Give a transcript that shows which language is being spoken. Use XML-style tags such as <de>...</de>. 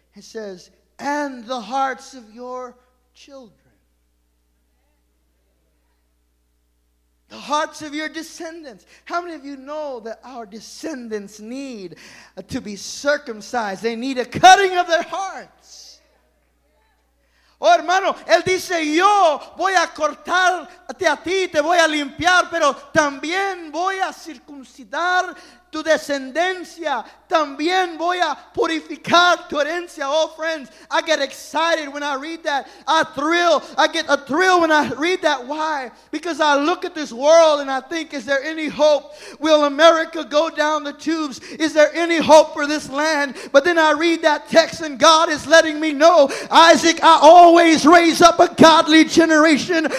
<en>It says, and the hearts of your children. The hearts of your descendants. How many of you know that our descendants need to be circumcised? They need a cutting of their hearts.</en> <es>Oh, hermano, él dice, yo voy a cortarte a ti, te voy a limpiar, pero también voy a circuncidar tu descendencia. También voy a purificar tu herencia.</es> <en>Oh, friends, I get excited when I read that. I get a thrill when I read that. Why? Because I look at this world and I think, is there any hope? Will America go down the tubes? Is there any hope for this land? But then I read that text and God is letting me know, Isaac, I always raise up a godly generation.</en>